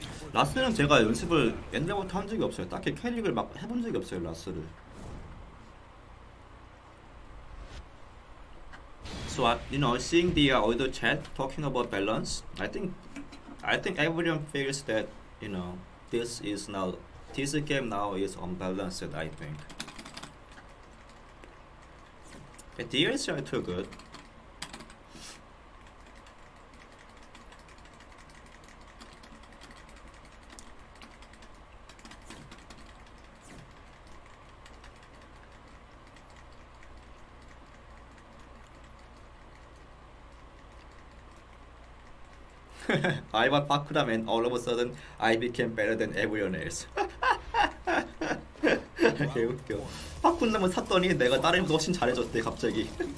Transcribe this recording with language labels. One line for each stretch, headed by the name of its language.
Korean: 라스는 제가 연습을 옛날부터 한 적이 없어요. 딱히 캐릭을 막 해본 적이 없어요. 라스를.
English: So you know, seeing the other chat talking about balance, I think everyone feels that you know this game now is unbalanced. I think. The DLC are too good. I was Bakuram and all of a sudden I became better than everyone else.
Korean: 개 웃겨. 바쿠남을 샀더니 내가 다른 것보다 훨씬 잘해줬대 갑자기.